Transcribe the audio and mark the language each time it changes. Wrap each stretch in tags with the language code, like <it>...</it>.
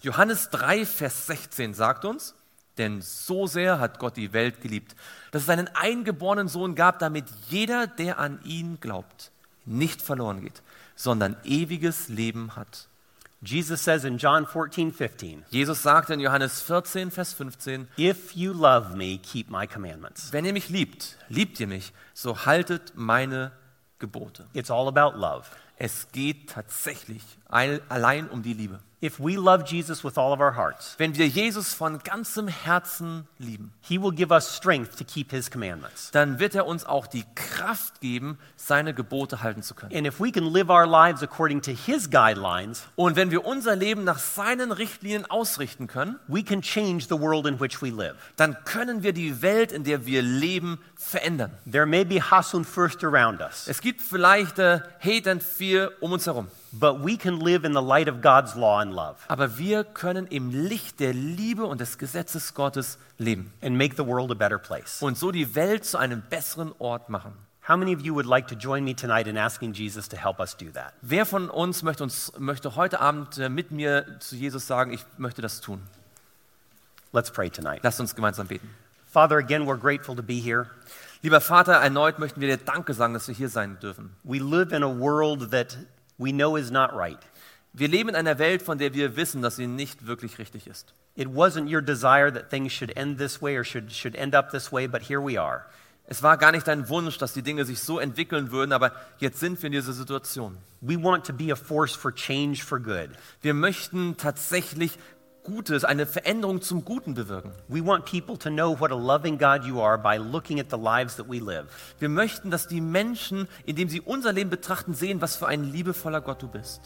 <de>Johannes 3, Vers 16 sagt uns, denn so sehr hat Gott die Welt geliebt, dass es einen eingeborenen Sohn gab, damit jeder, der an ihn glaubt, nicht verloren geht, sondern ewiges Leben hat.</de> <en>Jesus says in John 14:15.</en> <de>Jesus sagt in Johannes 14, Vers 15.</de> <en>If you love me, keep my commandments.</en> <de>Wenn ihr mich liebt, liebt ihr mich, so haltet meine Gebote.</de> <en>It's all about love.</en> <de>Es geht tatsächlich allein um die Liebe.</de> <en>If we love Jesus with all of our hearts,</en> <de>wenn wir Jesus von ganzem Herzen lieben,</de> <en>he will give us strength to keep his commandments.</en> <de>Dann wird uns auch die Kraft geben, seine Gebote halten zu können.</de> <en>And if we can live our lives according to his guidelines,</en> <de>und wenn wir unser Leben nach seinen Richtlinien ausrichten können,</de> <en>we can change the world in which we live.</en> <de>Dann können wir die Welt, in der wir leben, verändern.</de> <en>There may be</en> <de>hass und furcht</de> <en>around us.</en> <de>Es gibt vielleicht</de> <en>Hate and Fear</en> <de>um uns herum.</de> <en>But we can live in the light of God's law and love.</en> <de>Aber wir können im Licht der Liebe und des Gesetzes Gottes leben.</de> <en>And make the world a better place.</en> <de>Und so die Welt zu einem besseren Ort machen.</de> <en>How many of you would like to join me tonight in asking Jesus to help us do that?</en> <de>Wer von uns möchte heute Abend mit mir zu Jesus sagen, ich möchte das tun?</de> <en>Let's pray tonight.</en> <de>Lasst uns gemeinsam beten.</de> <en>Father, again, we're grateful to be here.</en> <de>Lieber Vater, erneut möchten wir dir Danke sagen, dass wir hier sein dürfen.</de> <en>We live in a world that we know is not right.</en> <de>Wir leben in einer Welt, von der wir wissen, dass sie nicht wirklich richtig ist.</de> <en>It wasn't your desire that things should end this way or should end up this way, but here we are.</en> <de>Es war gar nicht dein Wunsch, dass die Dinge sich so entwickeln würden, aber jetzt sind wir in dieser Situation.</de> <en>We want to be a force for change for good.</en> <de>Wir möchten tatsächlich Gutes, eine Veränderung zum Guten bewirken.</de> <en>We want people to know what a loving God you are by looking at the lives that we live.</en> <de>Wir möchten, dass die Menschen, indem sie unser Leben betrachten, sehen, was für ein liebevoller Gott du bist.</de>